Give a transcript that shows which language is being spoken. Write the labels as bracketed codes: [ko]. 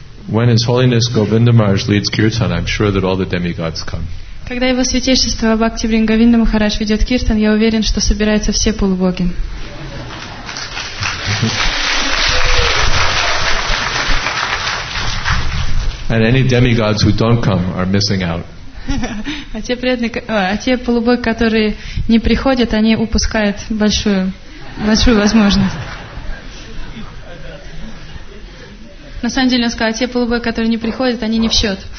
[en] When His Holiness Govinda Maharaj leads kirtan, I'm sure that all the demigods come. [ru] Когда его святейшество Бхакти Вринда Говинда Махарадж ведет киртан, я уверен, что собираются все полубоги. [en] And any demigods who don't come are missing out. [ru] А те полубоги, которые не приходят, они упускают большую возможность. На самом деле он сказал, те полубои, которые не приходят, они не в счет.